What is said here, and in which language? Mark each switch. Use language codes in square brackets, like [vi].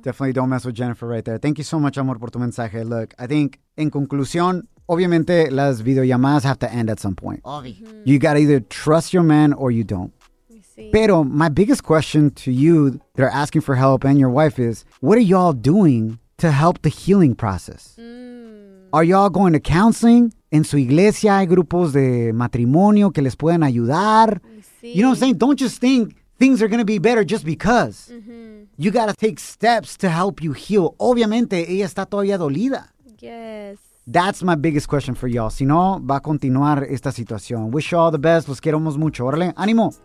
[en] Definitely don't mess with Jennifer right there. Thank you so much, [es] amor, por tu mensaje. [en] Look, I think, [es] en conclusión, obviamente, las videollamadas [en] have to end at some point. [es] Obvio. [en] You gotta either trust your man or you don't. [es] Pero [en] my biggest question to you that are asking for help and your wife is, what are y'all doing to help the healing process? Are y'all going to counseling? [es] En su iglesia hay grupos de matrimonio que les pueden ayudar. [en] You know what I'm saying? Don't just think things are going to be better just because. Mm-hmm. You got to take steps to help you heal. [es] Obviamente, ella está todavía dolida. [en] Yes. That's my biggest question for y'all. [es] Si no, va a continuar esta situación. [en] Wish you all the best. [es] Los queremos mucho. Órale, ánimo.